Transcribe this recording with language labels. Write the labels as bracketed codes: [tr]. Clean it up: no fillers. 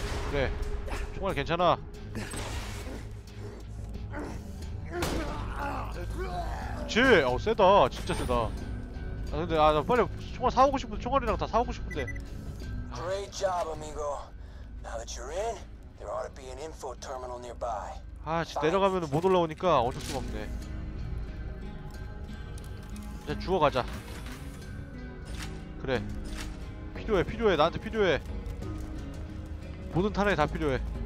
[ko] 그래. 총알 괜찮아. 그치? 어, 세다. 진짜 세다. 아, 근데, 아, 나 빨리 총알 사오고 싶은데, 총알이랑 다 사오고 싶은데. [en] 아. Great job, amigo. Now that you're in. There ought to be an info terminal nearby. [ko] 아, 지금 내려가면 못 올라오니까 어쩔 수가 없네. 이제 죽어가자. 그래. 필요해, 필요해. 나한테 필요해. 모든 탄약이 다 필요해.